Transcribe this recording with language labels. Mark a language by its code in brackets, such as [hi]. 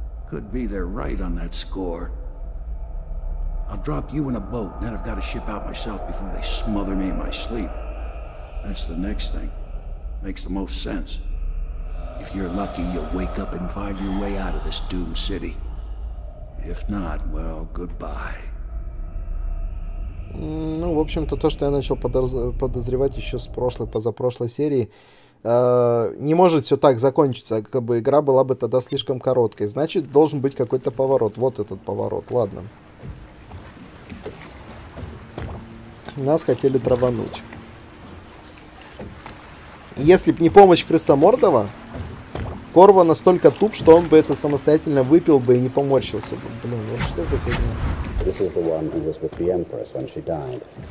[en] Could be they're right on that score. I'll drop you in a boat, and then I've got to ship out myself before they smother me in my sleep. That's the next thing. Makes the most sense. If you're lucky, you'll wake up and find your way out of this doomed city. If not, well, goodbye. [ru] Ну, в общем-то, то, что я начал подозревать еще с прошлой, позапрошлой серии, не может все так закончиться, как бы игра была бы тогда слишком короткой. Значит, должен быть какой-то поворот. Вот этот поворот, ладно. Нас хотели травануть. Если б не помощь Криса Мордова, Корво настолько туп, что он бы это самостоятельно выпил бы и не поморщился бы. Блин, вот что за фигня? [en] This is the one who was with the Empress when she died.